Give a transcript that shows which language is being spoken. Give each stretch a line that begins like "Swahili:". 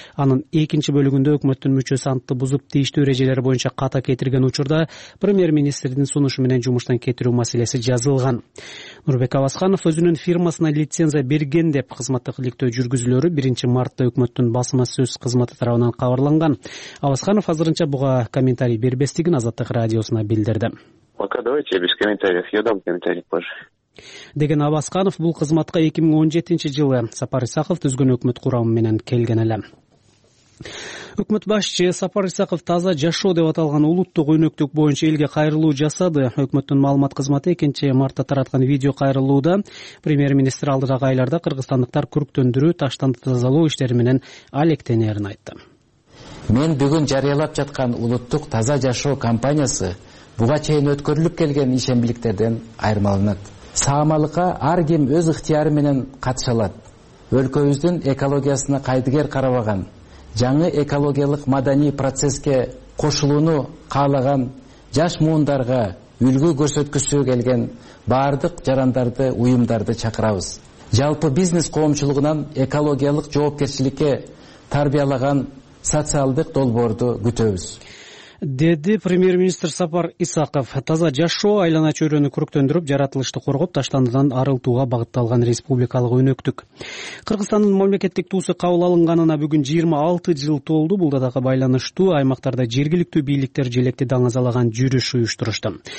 Kyrgyz: Анын 2-чү бөлүгүндө өкмөттүн мүчөсү антты бузуп тийиштүү эрежелер боюнча ката кетирген учурда премьер министрдин сунушу менен жумуштан кетирүү маселеси жазылган. Нурбек Абасканов өзүнүн фирмасына лицензия берген деп кызматтык иликтөө жүргүзүлөрү 1-мартта өкмөттүн басма сөз кызматы тарабынан кабарланган. Абасканов азырынча буга комментарий бербестигин Азаттык радиосуна билдирди.
Russian: Пока давайте без комментариев, я дам комментарий позже.
Kyrgyz: Деген Абасканов бул кызматка 2017-жылы Сапар Исаков түзгөн өкмөт курамы менен келген эле. Өкмөт башчы Сапар Исаков таза жашоо деп аталган улуттук өнөктүк боюнча элге кайрылуу жасады. Өкмөттүн маалымат кызматы 2-мартта тараткан видео кайрылууда премьер-министр алдыдагы айларда кыргызстандыктар күрктөндүрүү, таштанды тазалоо иштери менен алектенерин айтты. Мен бүгүн жарыялап жаткан улуттук таза жашоо кампаниясы Буга чейин өткөрүлүп келген ишембиликтерден айырмаланат. Саамалыкка ар ким өз ыктыяры менен катыша алат. Өлкөбүздүн экологиясына кайдыгер карабаган, жаңы экологиялык маданий процесске кошулууну каалаган жаш муундарга үлгү көрсөткүсү келген баардык жарандарды, уюмдарды чакырабыз. Жалпы бизнес коомчулугунан экологиялык жоопкерчиликке тарбиялаган социалдык долбоорду күтөбүз. Деди премьер-министр Сапар Исаков. Таза жашоо айлана чөйрөнү көрктөндүрүп, жаратылышты коргоп, таштандыдан арылтууга багытталган республикалык өнөктүк. Кыргызстандын мамлекеттик туусу кабыл алынганына бүгүн 26 жыл толду. Бул датага байланыштуу аймактарда жергиликтүү бийликтер желекти даңазалаган жүрүш уюштурушту.